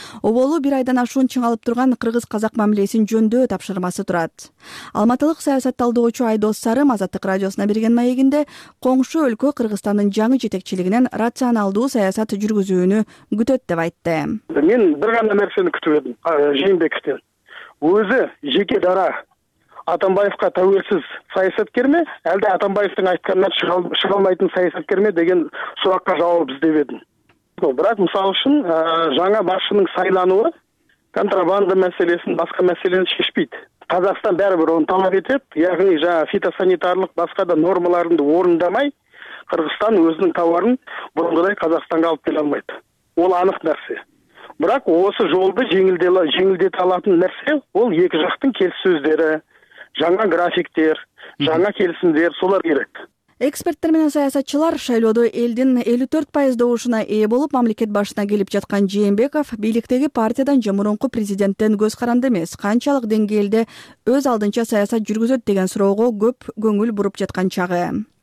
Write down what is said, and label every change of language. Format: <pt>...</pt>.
<ky>Оболу бир айдан ашуун чыңалып турган кыргыз-казак мамилесин жөндөө тапшырмасы турат. Алматылык саясатталдоочу Айдос Сарым Азаттык радиосуна берген маегинде коңшу өлкө Кыргызстандын жаңы жетекчилигинен рационалдуу саясат жүргүзүүнү күтөт деп айтты. Мен бир гана нерсени күтүп эдим Жээнбековтен.</ky> <kk>Өзү жеке дара Атамбаевка тәуелсіз саясаткер ме, әлде Атамбаевтың айтқанынан шыға алмайтын саясаткер ме деген сұраққа жауап іздеп едім. Бірақ мысалы үшін жаңа басшының сайлануы контрабанда мәселесін, басқа мәселені шешпейді. Қазақстан бәрібір оны талап етеді, яғни жаңа фитосанитарлық басқа да нормаларды орындамай, Қырғызстан өзінің тауарын бұрынғыдай Қазақстанға алып келе алмайды. Ол анық нәрсе. Бірақ осы жолды жеңілдете алатын нәрсе ол екі жақтың келіссөздері. Жаңа графиктер, жаңа келісімдер солар керек.</kk> <ky>Эксперттер менен саясатчылар шайлоодо элдин 54% добушуна ээ болуп мамлекет башына келип жаткан Жээнбеков бийликтеги партиядан же мурунку президенттен көз каранды эмес, канчалык деңгээлде өз алдынча саясат жүргүзөт деген суроого көп көңүл буруп жаткан чагы.</ky>